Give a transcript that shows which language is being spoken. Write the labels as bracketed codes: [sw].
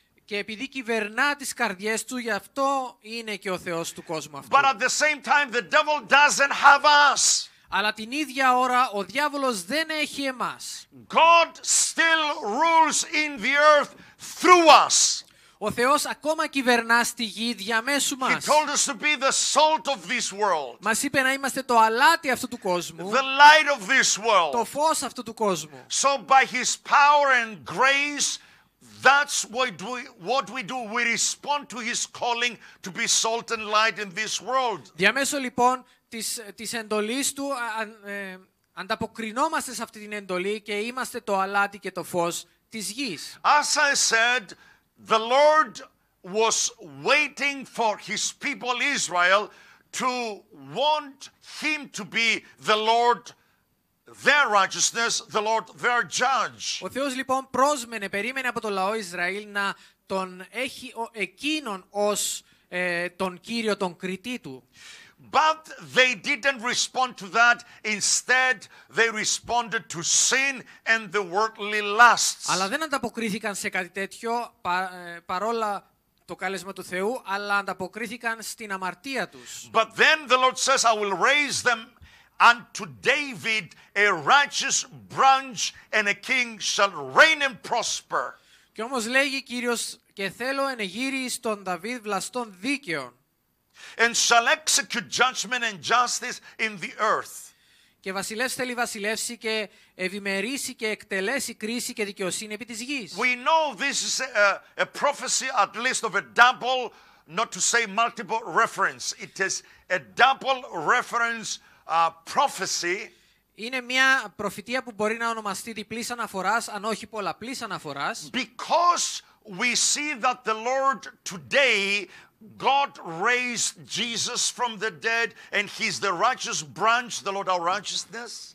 [el] Και επειδή κυβερνά τις καρδιές του, γι' αυτό είναι και ο θεός του κόσμου αυτού. [en] But at the same time, the devil doesn't have us. [el] Αλλά την ίδια ώρα ο διάβολος δεν έχει εμάς. [en] God still rules in the earth through us. [el] Ο Θεός ακόμα κυβερνά στη γη διαμέσου μας. [en] He told us to be the salt of this world. [el] Μας είπε να είμαστε το αλάτι αυτού του κόσμου. [en] The light of this world. [el] Το φως αυτού του κόσμου. [en] So by his power and grace, that's what we do. We respond to his calling to be salt and light in this world. [el] Διαμέσου λοιπόν της εντολής του ανταποκρινόμαστε σε αυτή την εντολή και είμαστε το αλάτι και το φως της γης. [en] As I said, the Lord was waiting for his people Israel to want him to be the Lord their righteousness, the Lord their judge. [el] Ο Θεός λοιπόν πρόσμενε, περίμενε από το λαό Ισραήλ να τον έχει εκείνον ως τον Κύριο, τον Κριτή του. [en] But they didn't respond to that. Instead, they responded to sin and the worldly lusts. [el] Αλλά δεν ανταποκρίθηκαν σε κάτι τέτοιο, παρόλα το κάλεσμα του Θεού, αλλά ανταποκρίθηκαν στην αμαρτία τους. [en] But then the Lord says, I will raise them unto David a righteous branch, and a king shall reign and prosper. [el] Και όμως λέγει Κύριος, και θέλω εν εγύρι στον Δαβίδ βλαστών δίκαιων. [en] And shall execute judgment and justice in the earth. [el] Και βασιλεύς θέλει βασιλεύσει και ευημερήσει και εκτελέσει κρίση και δικαιοσύνη επί της γης. [en] We know this is a prophecy at least of a double, not to say multiple reference. It is a double reference prophecy. [el] Είναι μια προφητεία που μπορεί να ονομαστεί διπλής αναφοράς, αν όχι πολλαπλής αναφοράς. [en] Because we see that the Lord today, God raised Jesus from the dead, and he's the righteous branch, the Lord our righteousness.